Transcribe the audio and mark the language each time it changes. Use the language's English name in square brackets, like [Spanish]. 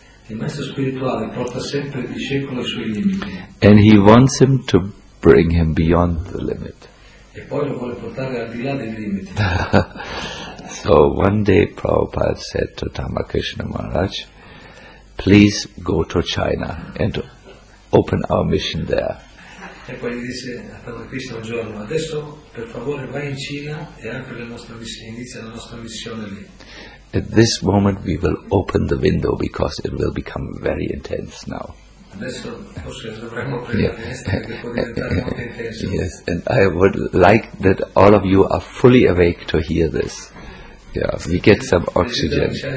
[English] And he wants him to bring him beyond the limit. So one day Prabhupada said to Tamakrishna Maharaj, please go to China and open our mission there. [Italian] E poi gli disse a Tamakrishna un giorno, adesso per favore vai in Cina e anche la nostra missione, inizia la nostra missione lì. [English] At this moment we will open the window because it will become very intense now. [Italian] Adesso forse dovremmo aprire la finestra perché può diventare molto intenso. [English] Yes, and I would like that all of you are fully awake to hear this. Yeah, we get some oxygen.